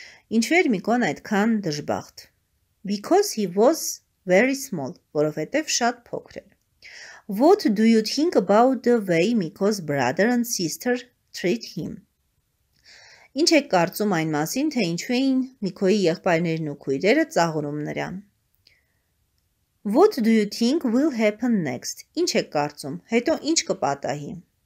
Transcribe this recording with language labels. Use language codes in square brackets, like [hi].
[hy] Ինչու էր Միկոն այդքան դժբախտ? [en] Because he was very small, [hy] որովհետև շատ փոքր էր. [en] What do you think about the way Miko's brother and sister treat him? [hy] Ինչ եք կարծում այն մասին, թե ինչու էին Միկոյի եղբայրներն ու քույրերը ծաղրում նրան? [en] What do you think will happen next? [hy] Ինչ եք կարծում, հետո ինչ կպատահի?